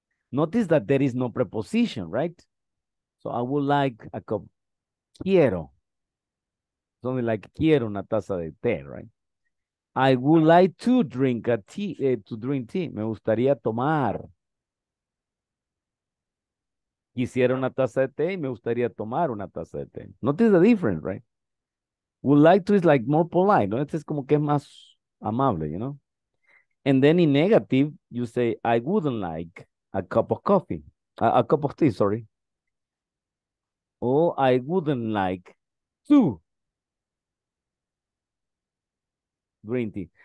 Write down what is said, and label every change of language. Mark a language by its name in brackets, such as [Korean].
[English] Notice that there is no preposition, right? So I would like a cup. Quiero. [Spanish] Something like quiero una taza de té, right? [English] I would like to drink a tea, to drink tea. [Spanish] Me gustaría tomar. Quisiera una taza de té y me gustaría tomar una taza de té. [English] Notice the difference, right? Would like to is like more polite, ¿no? Este es como que es más amable, you know? And then in negative, you say, I wouldn't like a cup of coffee. A cup of tea, sorry. Or I wouldn't like to green tea.